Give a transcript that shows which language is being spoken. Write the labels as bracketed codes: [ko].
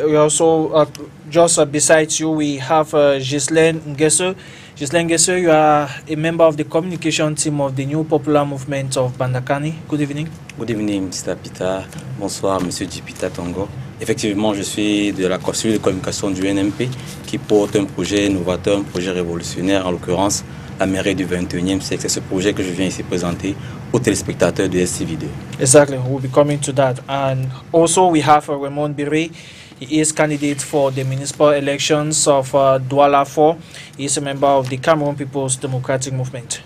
[en] We also, just beside you, we have Ghislaine Nguesso. Ghislaine Nguesso, you are a member of the communication team of the New Popular Movement of Bandakani. Good evening. Good evening, Mr. Pita. [fr] Bonsoir, Monsieur Dipita Tongo. Effectivement, je suis de la cellule de communication du NMP qui porte un projet innovateur, un projet révolutionnaire, en l'occurrence la mairie du 21e siècle. C'est ce projet que je viens ici présenter aux téléspectateurs de STV2. [en] Exactly, we'll be coming to that. And also we have Raymond Biri. He is candidate for the municipal elections of Douala 4. He is a member of the Cameroon People's Democratic Movement.